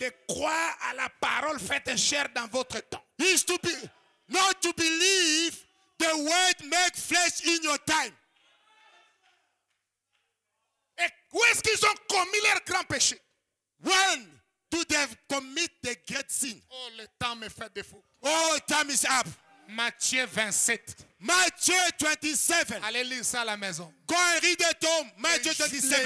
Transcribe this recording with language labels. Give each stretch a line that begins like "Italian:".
French: de croire à la parole faite chair dans votre temps.
English: Is to be not to believe the word make flesh in your time.
French: Et où est-ce qu'ils ont commis leur grand péché?
English: When do they commit the great sin?
French: Oh, le temps me fait défaut.
English: Oh, time is up.
French: Matthieu 27. Matthieu 27. Allez lire ça à la maison.
English: Go and read it home. Matthieu 27.